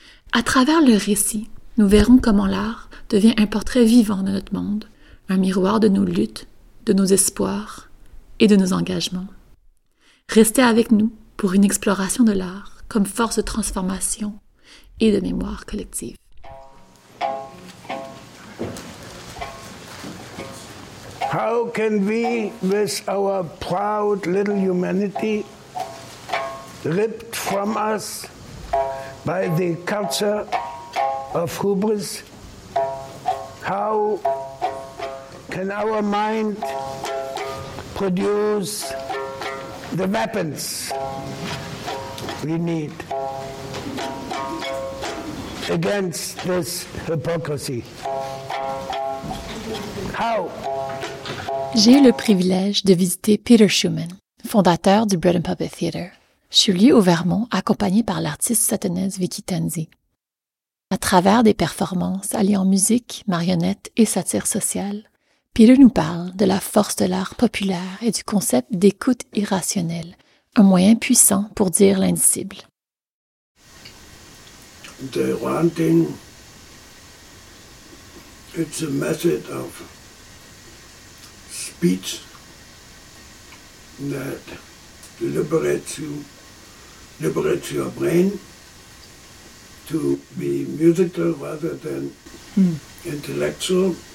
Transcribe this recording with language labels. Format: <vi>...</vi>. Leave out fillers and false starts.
<fr>À travers le récit, nous verrons comment l'art devient un portrait vivant de notre monde, un miroir de nos luttes, de nos espoirs, et de nos engagements. Restez avec nous pour une exploration de l'art comme force de transformation et de mémoire collective.</fr> <en>How can we, with our proud little humanity, ripped from us by the culture of hubris, how can our mind produce the weapons we need against this hypocrisy? How?</en> <fr>J'ai eu le privilège de visiter Peter Schumann, fondateur du Bread and Puppet Theatre. Je suis lié au Vermont, accompagné par l'artiste sutonaise Vicky Tanzi. À travers des performances alliant musique, marionnettes et satire sociale, Peter nous parle de la force de l'art populaire et du concept d'écoute irrationnelle, un moyen puissant pour dire l'indicible.</fr> <en>The ranting, it's a method of speech that liberates your brain to be musical rather than intellectual.</en>